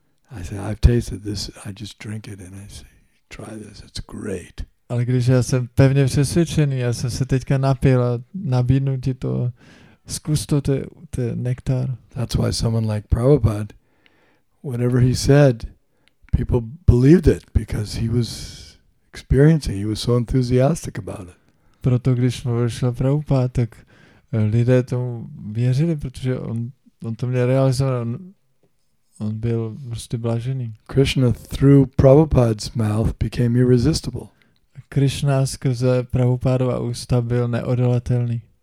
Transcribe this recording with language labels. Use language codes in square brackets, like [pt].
[en] I say, I've tasted this, I just drink it and I say, try this, it's great. [cs] Ale když já jsem pevně přesvědčený, já jsem se teďka napil a nabídnu ti to, zkus to, to nektar. [en] That's why someone like Prabhupada, whatever he said, people believed it because he was experiencing, he was so enthusiastic about it. [cs] Proto když vyšel Prabhupada, tak lidé tomu věřili, protože on to měl realizovat. On byl prostě blažený. [en] Krishna through Prabhupada's mouth became irresistible. [cs] Krishna skrze Prabhupádova ústa byl neodolatelný.